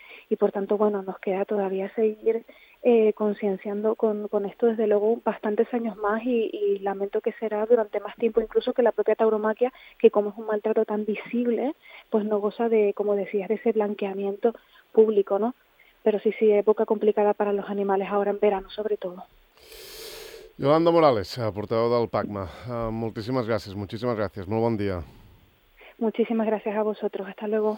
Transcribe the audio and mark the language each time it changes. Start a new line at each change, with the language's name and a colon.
Spanish: Y por tanto, bueno, nos queda todavía seguir concienciando con esto, desde luego, bastantes años más y lamento que será durante más tiempo, incluso que la propia tauromaquia, que como es un maltrato tan visible, pues no goza de, como decías, de ese blanqueamiento público, ¿no? Pero sí, época complicada para los animales ahora en verano, sobre todo.
Catalan: Yolanda Morales, portaveu del PACMA. Moltíssimes gràcies, moltíssimes gràcies. Molt bon dia.
Spanish: Muchísimas gracias a vosotros. Hasta luego.